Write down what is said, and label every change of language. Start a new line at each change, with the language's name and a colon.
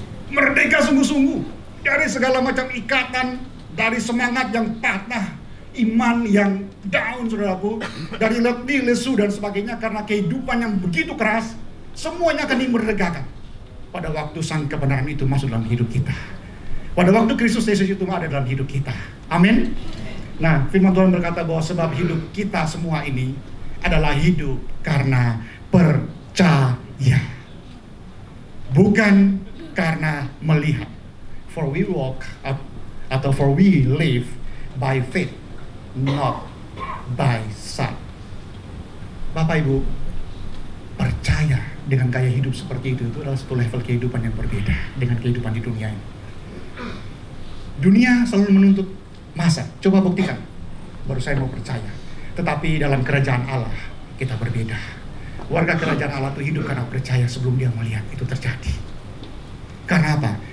Indonesian: Merdeka sungguh-sungguh dari segala macam ikatan, dari semangat yang patah, iman yang down, saudaraku, dari letih, lesu, dan sebagainya, karena kehidupan yang begitu keras, semuanya akan dimerdekakan pada waktu sang kebenaran itu masuk dalam hidup kita, pada waktu Kristus Yesus itu ada dalam hidup kita. Amin. Nah, firman Tuhan berkata bahwa sebab hidup kita semua ini adalah hidup karena percaya, bukan karena melihat.
English: For we walk atau for we live by faith, not by sight.
Indonesian: Bapak Ibu, percaya dengan gaya hidup seperti itu adalah satu level kehidupan yang berbeda dengan kehidupan di dunia ini. Dunia selalu menuntut masa, coba buktikan baru saya mau percaya. Tetapi dalam kerajaan Allah kita berbeda. Warga kerajaan Allah itu hidup karena percaya sebelum dia melihat itu terjadi. Karena apa?